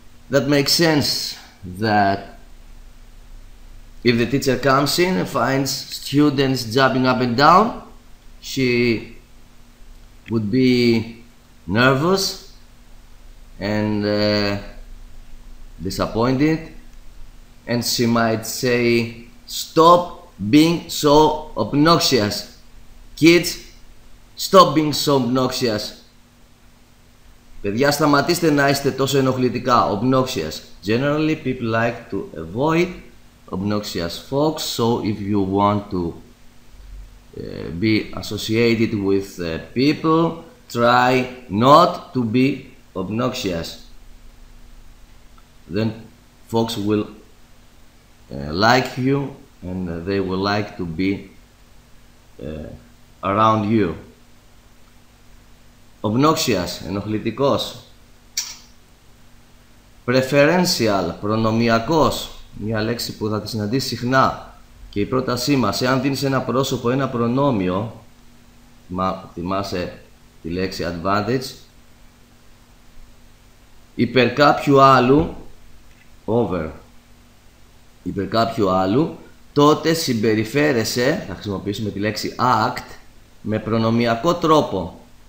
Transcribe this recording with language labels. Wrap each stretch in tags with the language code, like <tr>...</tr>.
<en>That makes sense that if the teacher comes in and finds students jumping up and down, she would be nervous and disappointed, and she might say, stop being so obnoxious. Kids, stop being so obnoxious.</en> <el>Παιδιά, σταματήστε να είστε τόσο ενοχλητικά, obnoxious.</el> <en>Generally, people like to avoid obnoxious folks, so if you want to be associated with people, try not to be obnoxious. Then folks will like you and they will like to be around you.</en> <el>Obnoxious, ενοχλητικός. Preferential, προνομιακός. Μια λέξη που θα τη συναντήσει συχνά. Και η πρότασή μας, εάν δίνεις ένα πρόσωπο, ένα προνόμιο, θυμάσαι τη λέξη advantage, υπέρ κάποιου άλλου, over, υπέρ κάποιου άλλου, τότε συμπεριφέρεσαι, θα χρησιμοποιήσουμε τη λέξη act, με προνομιακό τρόπο.</el>